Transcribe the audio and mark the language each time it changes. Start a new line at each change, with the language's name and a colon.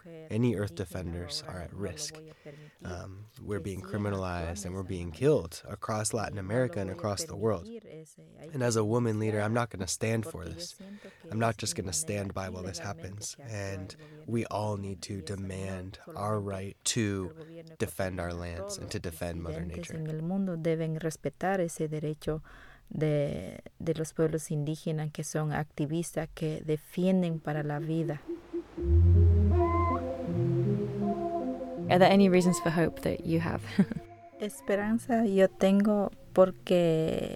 English: Any Earth defenders are at risk. We're being criminalized and we're being killed across Latin America and across the world. And as a woman leader, I'm not going to stand for this. I'm not just going to stand by while this happens. And we all need to demand our right to defend our lands and to defend Mother Nature.
Spanish: Respetar ese derecho de los pueblos indígenas que son activistas que defienden para la vida.
English: Are there any reasons for hope that you have?
Spanish: Esperanza yo tengo porque